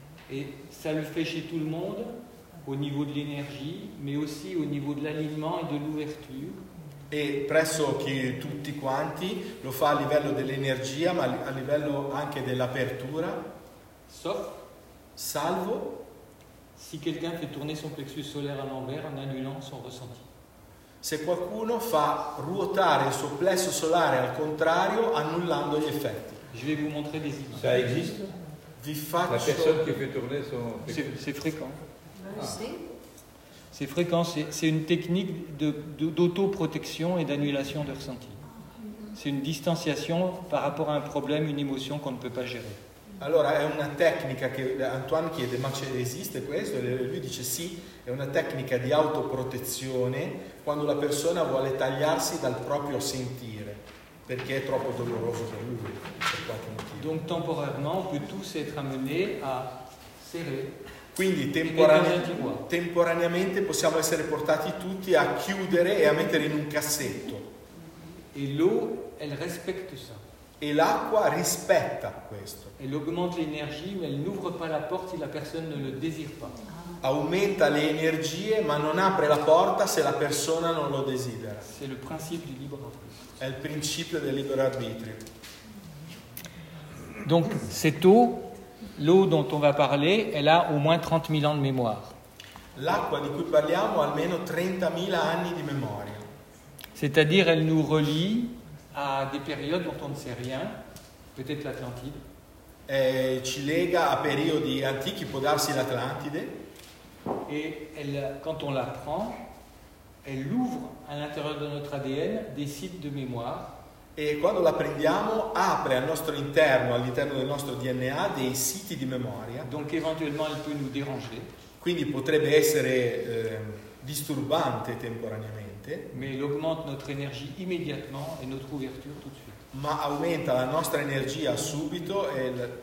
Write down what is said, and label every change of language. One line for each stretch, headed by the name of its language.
French: Et ça le fait chez tout le monde. Au niveau de l'énergie, mais aussi au niveau de l'alignement et de l'ouverture.
Italian: Et presso che tutti quanti lo fa a livello dell'energia, ma a livello anche dell'apertura.
French: Sauf.
Italian: Salvo.
French: Si quelqu'un fait tourner son plexus solaire à l'envers en annulant son ressenti.
Italian: Se qualcuno fa ruotare il suo plesso solare al contrario, annullando gli effetti.
French: Je vais vous montrer des images. Ça existe.
Italian: Vi faccio.
French: La personne qui fait tourner son. C'est fréquent. C'est fréquent, c'est une technique d'auto-protection et d'annulation de ressenti. C'est une distanciation par rapport à un problème, une émotion qu'on ne peut pas gérer.
Italian: Allora, è una tecnica che Antoine chiede, ma esiste questo? E lui dice sì, è una tecnica di autoprotezione quando la persona vuole tagliarsi dal proprio sentire, perché è troppo doloroso per lui, per qualche motivo.
French: Donc temporairement, on peut tous être amené à serrer.
Italian: Quindi temporaneamente possiamo essere portati tutti a chiudere e a mettere in un cassetto.
French: E l'eau, elle respecte ça.
Italian: E l'acqua rispetta questo.
French: Elle augmente l'énergie, mais elle n'ouvre pas la porte si la personne ne le désire pas.
Italian: Aumenta le energie, ma non apre la porta se la persona non lo desidera.
French: C'est le principe du libre arbitre.
Italian: È il principio del libero arbitrio.
French: Donc, c'est tout. L'eau dont on va parler, elle a au moins 30 000 ans de mémoire.
Italian: L'acqua di cui parliamo ha almeno 30 000 anni di memoria.
French: C'est-à-dire, elle nous relie à des périodes dont on ne sait rien, peut-être l'Atlantide.
Italian: Ci lega a periodi antichi, può darsi l'Atlantide.
French: Et elle, quand on la prend, elle ouvre à l'intérieur de notre ADN des sites de mémoire.
Italian: E quando la prendiamo apre al nostro interno, all'interno del nostro DNA, dei siti di memoria.
French: Donc éventuellement elle peut nous déranger.
Italian: Quindi potrebbe essere disturbante temporaneamente.
French: Mais elle augmente notre énergie immédiatement et notre ouverture tout de suite.
Italian: Ma aumenta la nostra energia subito e